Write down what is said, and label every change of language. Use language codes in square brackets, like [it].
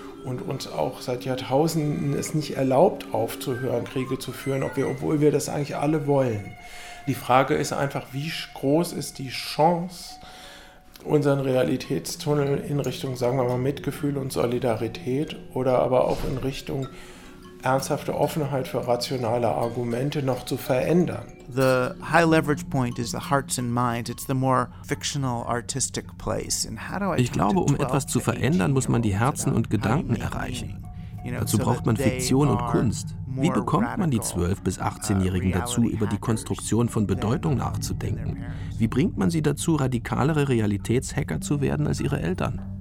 [de] Und uns auch seit Jahrtausenden es nicht erlaubt, aufzuhören, Kriege zu führen, obwohl wir das eigentlich alle wollen. Die Frage ist einfach, wie groß ist die Chance, unseren Realitätstunnel in Richtung, sagen wir mal, Mitgefühl und Solidarität oder aber auch in Richtung ernsthafte Offenheit für rationale Argumente noch zu verändern. [en] The high leverage point is the hearts and minds. It's the more fictional artistic place. And how do I? [de] Ich glaube, um etwas zu verändern, muss man die Herzen und Gedanken erreichen. Dazu braucht man Fiktion und Kunst. Wie bekommt man die 12- bis 18-Jährigen dazu, über die Konstruktion von Bedeutung nachzudenken? Wie bringt man sie dazu, radikalere Realitätshacker zu werden als ihre Eltern?